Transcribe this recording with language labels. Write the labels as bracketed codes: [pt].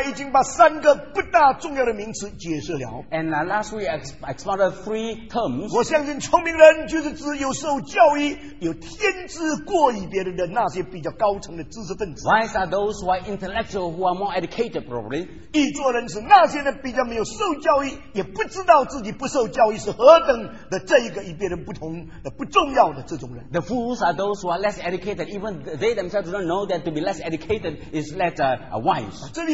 [zh] 我们上个礼拜已经把三个不大重要的名词解释了。 [en] And last week I explored three terms. [zh] 我相信聪明人就是只有受教育, 有天资过于别人的那些比较高层的知识分子。 [en] Wise are those who are intellectual, who are more educated probably. [zh] 愚拙人是那些比较没有受教育, 也不知道自己不受教育是何等的这一个与别人 不同的不重要的这种人。 [en] The fools are those who are less educated. Even they themselves do not know that to be less educated is less wise.